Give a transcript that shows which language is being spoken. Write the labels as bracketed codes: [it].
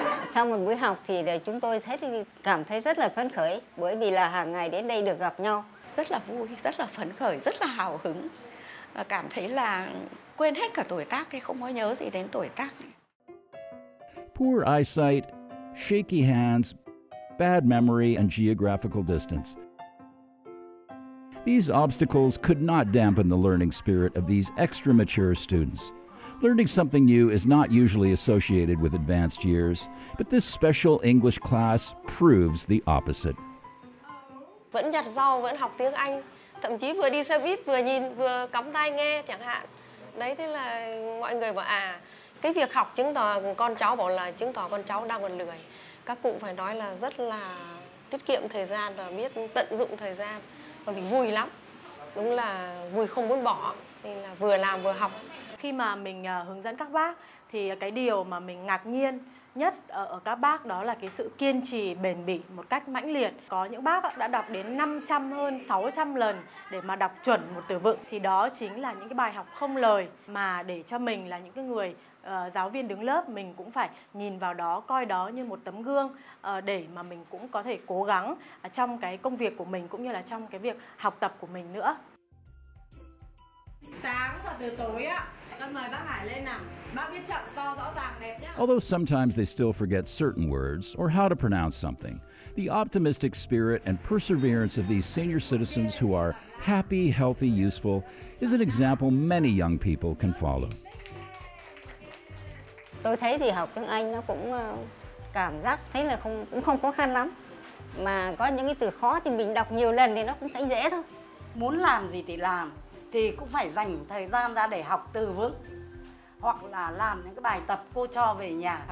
[vi] Sau một buổi học thì chúng tôi thấy cảm thấy rất là phấn khởi, bởi vì là hàng ngày đến đây được gặp nhau. Rất là vui, rất là phấn khởi, rất là hào hứng. Và cảm thấy là quên hết cả tuổi tác, không có nhớ gì đến tuổi tác. [en] Poor eyesight, shaky hands, bad memory, and geographical distance. These obstacles could not dampen the learning spirit of these extra mature students. Learning something new is not usually associated with advanced years, but this special English class proves the opposite. [vi] Vẫn nhặt rau, vẫn học tiếng Anh, thậm chí vừa đi xe buýt vừa nhìn, vừa cắm tai nghe chẳng hạn. Đấy, thế là mọi người bảo à, cái việc học chứng tỏ con cháu bảo là chứng tỏ con cháu đang còn lười. Các cụ phải nói là rất là tiết kiệm thời gian và biết tận dụng thời gian. Và mình vui lắm. Đúng là vui không muốn bỏ. Nên là vừa làm vừa học. Khi mà mình hướng dẫn các bác thì cái điều mà mình ngạc nhiên nhất ở các bác đó là cái sự kiên trì bền bỉ một cách mãnh liệt. Có những bác đã đọc đến 500 hơn 600 lần để mà đọc chuẩn một từ vựng. Thì đó chính là những cái bài học không lời mà để cho mình là những cái người giáo viên đứng lớp, mình cũng phải nhìn vào đó, coi đó như một tấm gương để mà mình cũng có thể cố gắng trong cái công việc của mình cũng như là trong cái việc học tập của mình nữa. Sáng và từ tối á, con mời bác Hải lên nào. Bác viết chậm, to, rõ ràng, đẹp nhé. [en] Although sometimes they still forget certain words or how to pronounce something, the optimistic spirit and perseverance of these senior citizens who are happy, healthy, useful is an example many young people can follow. [vi] Tôi thấy thì học tiếng Anh nó cũng cảm giác thấy là không, cũng không khó khăn lắm. Mà có những cái từ khó thì mình đọc nhiều lần thì nó cũng thấy dễ thôi. Muốn làm gì thì làm, thì cũng phải dành thời gian ra để học từ vựng. Hoặc là làm những cái bài tập cô cho về nhà.